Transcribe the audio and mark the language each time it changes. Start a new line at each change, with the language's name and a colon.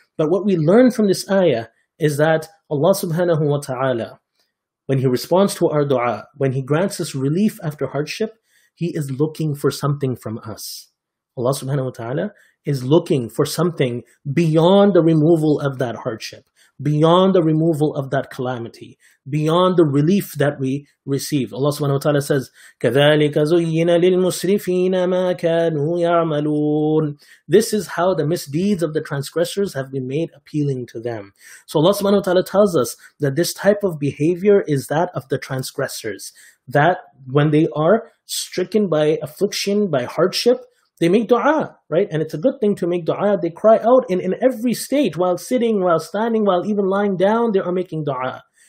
English: But what we learn from this ayah is that Allah subhanahu wa ta'ala, when He responds to our dua, when He grants us relief after hardship, He is looking for something from us. Allah subhanahu wa ta'ala is looking for something beyond the removal of that hardship, beyond the removal of that calamity, beyond the relief that we receive. Allah subhanahu wa ta'ala says,
Arabic: كَذَلِكَ زُيِّنَ لِلْمُسْرِفِينَ مَا كَانُوا يَعْمَلُونَ.
English: This is how the misdeeds of the transgressors have been made appealing to them. So Allah subhanahu wa ta'ala tells us that this type of behavior is that of the transgressors, that when they are stricken by affliction, by hardship, they make dua, right? And it's a good thing to make dua. They cry out in every state, while sitting, while standing, while even lying down, they are making dua.